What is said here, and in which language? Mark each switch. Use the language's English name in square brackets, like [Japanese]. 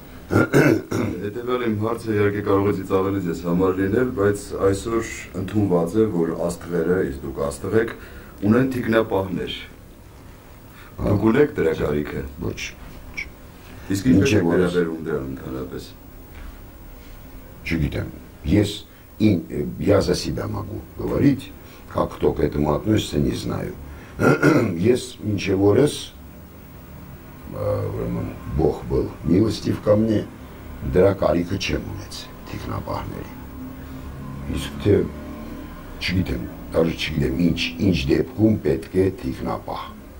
[Armenian] Հետևյալ իմ հարցը իհարկե կարողեցի ծավալել ես համար լինել, բայց այսօր ընդունված է, որ աստղերը, իսկ դուք աստղ եք, ունեն թիկնապահներ, դուք ունեք դրա կարիքը։ Ոչ, իսկ ինչ է վերաբերում դրա ընդհանրապես։ Չգիտեմ, ես [Russian] я за себя могу говорить, как кто к этому относится, не знаю. [Armenian] Ես մինչև օրս, ուրեմն [Russian] Бог был милостив ко мне, [Armenian] դրա կարիքը չեմ ունեցել թիկնապահների, իսկ թե չգիտեմ, դարձ չգիտեմ ինչ դեպքում պետք է թիկնապահ։